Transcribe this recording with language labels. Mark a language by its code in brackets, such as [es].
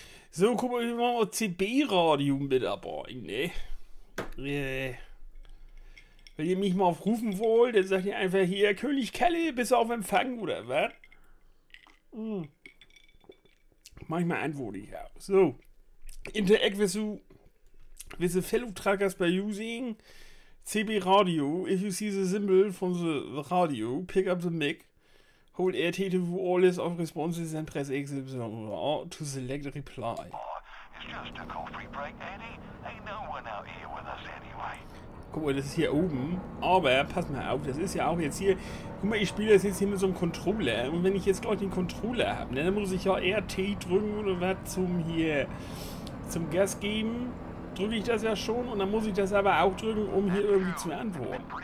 [de] So, guck mal, wir machen CB-Radio mit dabei, ne? Wenn ihr mich mal aufrufen wollt, dann sagt ihr einfach hier, König Kelly, bist du auf Empfang, oder was? Manchmal antworte ich auch. [en] So, interact with the fellow trackers by using CB-Radio. If you see the symbol from the radio, pick up the mic. Hold RT to view all list of responses and press XY to select reply. Oh, it's just a coffee break, Eddie. Ain't no one out here with us anyway. [de] Guck mal, das ist hier oben. Aber pass mal auf, das ist ja auch jetzt hier. Guck mal, ich spiele das jetzt hier mit so einem Controller. Und wenn ich jetzt gleich den Controller habe, dann muss ich ja RT drücken oder was zum hier zum Gas geben. Drücke ich das ja schon und dann muss ich das aber auch drücken, um hier irgendwie zu antworten.